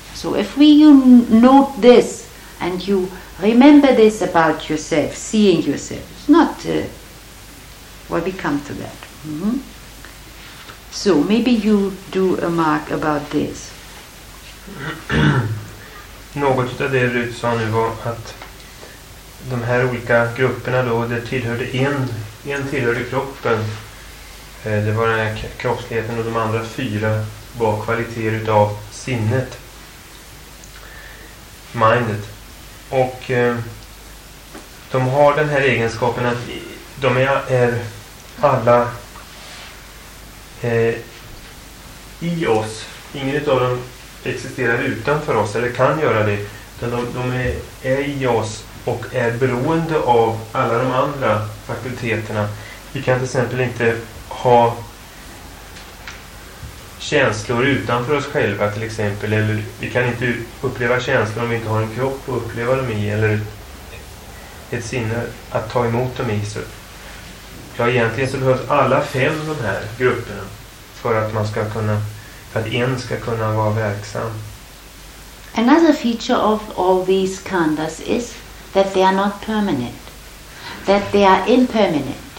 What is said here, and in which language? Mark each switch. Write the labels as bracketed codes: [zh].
[en] So if you note this and you remember this about yourself, seeing yourself, we come to that. So maybe you do a mark about this. [sv] Något utav det Rut sa nu var att de här olika grupperna då, det tillhörde en tillhörde kroppen. Det var den här kroppsligheten, och de andra fyra var kvaliteter utav sinnet. Mindet. Och de har den här egenskapen att de är alla i oss. Inget av dem existerar utanför oss eller kan göra det, utan de är i oss och är beroende av alla de andra fakulteterna. Vi kan till exempel inte ha känslor utanför oss själva till exempel, eller vi kan inte uppleva känslor om vi inte har en kropp att uppleva dem i, eller ett sinne att ta emot dem i. Så, ja, egentligen så behövs alla fem de här grupperna för att man ska kunna, för att en ska kunna vara verksam. [en] Another feature of all these khandas is that they are not permanent, that they are impermanent.